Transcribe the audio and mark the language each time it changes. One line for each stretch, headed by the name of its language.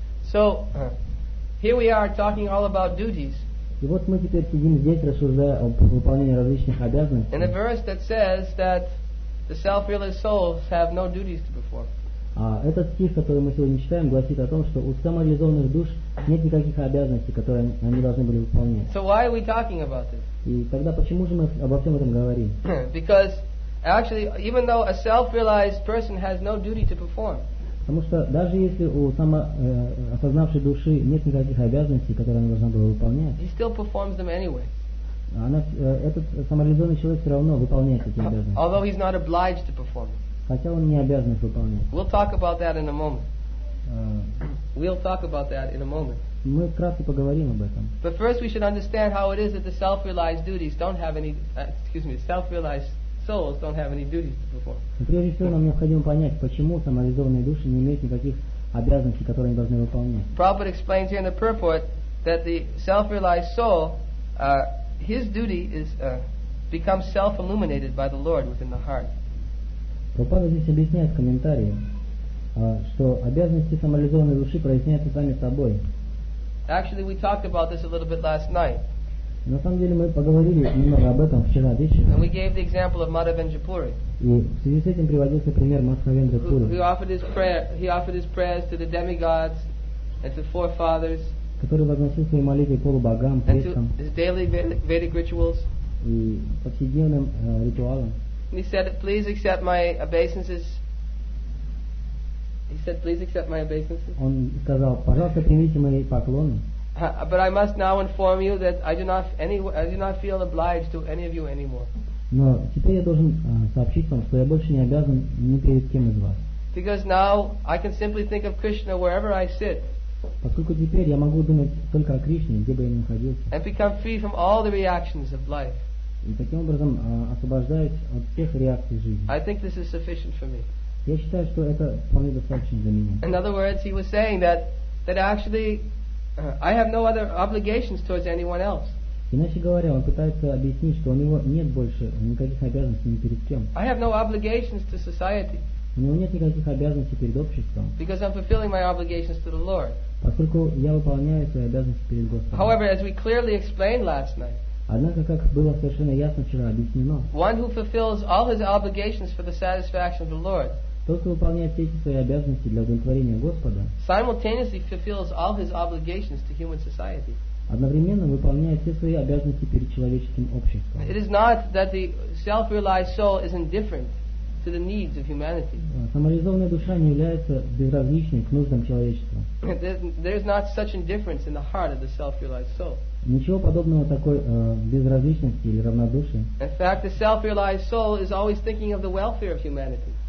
English: So here we are talking all about duties.
Russian: И вот мы теперь сидим здесь, рассуждая об выполнении различных обязанностей.
English: In a verse that says that the self-realized souls have no duties to perform.
Russian: Этот стих, который мы сегодня читаем, гласит о том, что у самореализованных душ нет никаких обязанностей, которые они должны были выполнять.
English: So why are we talking about this?
Russian: И тогда почему же мы обо всем этом говорим?
English: Because actually, even though a self-realized person has no duty to perform.
Russian: Потому что даже если у самоосознавшей души нет никаких обязанностей, которые она должна была выполнять,
English: he still performs them anyway.
Russian: Этот самореализованный человек все равно выполняет эти обязанности.
English: Although he's not obliged to perform.
Russian: Хотя он не обязан их выполнять.
English: We'll talk about that in a moment. We'll talk about that in a moment.
Russian: Мы кратко поговорим об этом.
English: But first we should understand how it is that the self-realized duties don't have any, excuse me, self-realized souls don't have any duties to perform.
Russian: Прежде всего нам необходимо понять, почему самореализованные души не имеют никаких обязанностей, которые они должны выполнять.
English: Prabhupada explains here in the purport that the self-realized soul, his duty is becomes self-illuminated by the Lord within the heart.
Russian: Прабхупада здесь объясняет в комментарии, что обязанности самореализованной души проясняются сами собой.
English: Actually, we talked about this a little bit last night.
Russian: На самом деле мы поговорили немного об этом вчера вечером.
English: And we gave the example of Madhavendra Puri.
Russian: И в связи с этим приводился пример Madhavendra Puri.
English: He offered his prayers to the demigods and to forefathers.
Russian: Который возносил свои молитвы полубогам, предкам.
English: His daily Vedic rituals.
Russian: И повседневным ритуалам.
English: He said, "Please accept my obeisances." He said, "Please accept my obeisances."
Russian: Он сказал, пожалуйста, примите мои поклоны.
English: But I must now inform you that I do not feel obliged to any of you anymore.
Russian: Но теперь я должен сообщить вам, что я больше не обязан ни перед кем из вас.
English: Because now I can simply think of Krishna wherever I sit.
Russian: Поскольку теперь я могу думать только о Кришне, где бы я ни находился.
English: And become free from all the reactions of life.
Russian: И таким образом освобождаюсь от всех реакций жизни.
English: I think this is sufficient for me.
Russian: Я считаю, что это вполне достаточно для меня.
English: In other words, he was saying that actually I have no other obligations towards anyone else.
Russian: Иначе говоря, он пытается объяснить, что у него нет больше никаких обязанностей ни перед кем.
English: I have no obligations to society.
Russian: У него нет никаких обязанностей перед обществом.
English: Because I'm fulfilling my obligations to the Lord.
Russian: Поскольку я выполняю свои обязанности перед Господом.
English: However, as we clearly explained last night.
Russian: Однако, как было совершенно ясно вчера объяснено.
English: One who fulfills all his obligations for the satisfaction of the Lord.
Russian: Тот, кто выполняет все эти свои обязанности для удовлетворения Господа.
English: Simultaneously fulfills all his obligations to human society.
Russian: Одновременно выполняет все свои обязанности перед человеческим обществом.
English: It is not that the self-realized soul is indifferent to the needs of humanity.
Russian: Самореализованная душа не является безразличной к нуждам человечества.
English: There is not such indifference in the heart of the self-realized soul.
Russian: Ничего подобного такой безразличности или равнодушия.
English: In fact, the self-realized soul is always thinking of the welfare of humanity.